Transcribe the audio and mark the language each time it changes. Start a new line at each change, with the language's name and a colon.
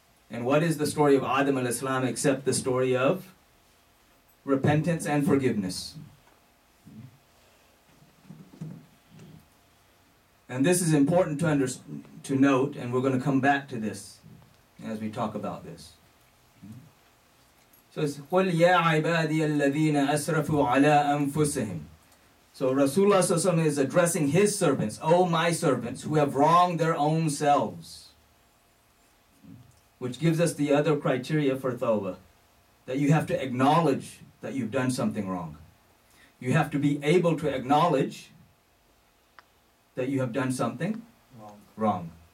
English: And what is the story of Adam alayhi salam except the story of repentance and forgiveness? And this is important to note, and we're going to come back to this as we talk about this. So it's
Arabic: قُلْ يَا عِبَادِيَ الَّذِينَ أَسْرَفُوا عَلَىٰ أَنفُسِهِمْ.
English: So Rasulullah sallallahu alayhi wa sallam is addressing his servants, O my servants, who have wronged their own selves. Which gives us the other criteria for tawbah, that you have to acknowledge that you've done something wrong. You have to be able to acknowledge that you have done something wrong.